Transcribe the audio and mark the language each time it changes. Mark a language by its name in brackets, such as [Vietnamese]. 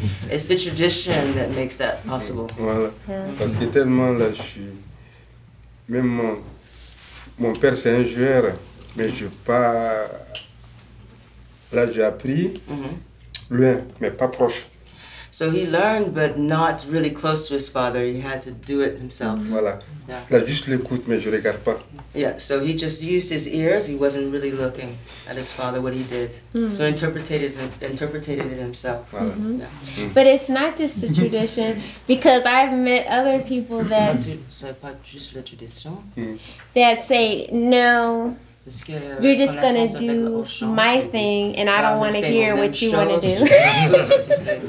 [English] It's the tradition that makes that possible. [French] Voilà. Yeah. Parce que tellement là, je suis... Même mon père, c'est un joueur, mais je n'ai pas... Là, j'ai appris, loin, mais pas proche. [English] So he learned, but not really close to his father. He had to do it himself. [French] Voilà. [English] Yeah. [French] Là, juste l'écoute, mais je ne regarde pas. [English] Yeah, so he just used his ears. He wasn't really looking at his father, what he did. Mm-hmm. So interpreted it himself. Mm-hmm. Yeah. But it's not just the tradition, because I've met other people that... [French] C'est pas juste la tradition. [English] That say, no, you're just going to do my thing, and I don't want to hear what you want to do.